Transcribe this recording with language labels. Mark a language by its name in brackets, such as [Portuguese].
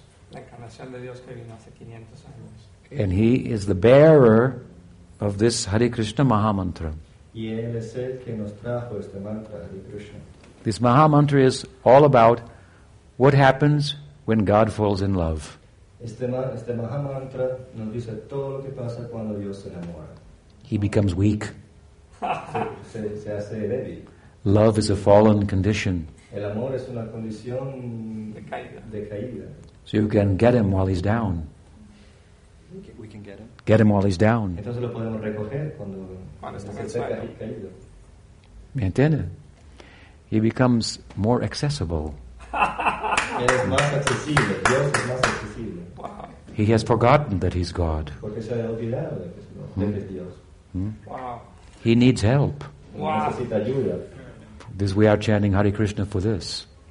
[Spanish] La encarnación de Dios que vino hace 500 años. [English] And he is the bearer of this Hare Krishna Maha Mantra. [Spanish] Y él es el que nos trajo este mantra, Hare Krishna. [English] This Maha Mantra is all about what happens when God falls in love. [Spanish] Este Maha Mantra nos dice todo lo que pasa cuando Dios se enamora. [English] He becomes weak. [Spanish] se hace débil. [English] Love is a fallen condition. [Spanish] El amor es una condición de caída. [English] So you can get him while he's down. We can get him. Get him while he's down. [Spanish] Entonces lo podemos recoger cuando está caído. ¿Me entiende? [English] He becomes more accessible. [Spanish] Él es más accesible. Dios es más accesible. [English] Wow. He has forgotten that he's God. [Spanish] Porque se ha olvidado de que es Dios. [English] Wow. He needs help. Wow. [Spanish] Necesita ayuda. [English] This we are chanting Hare Krishna for this.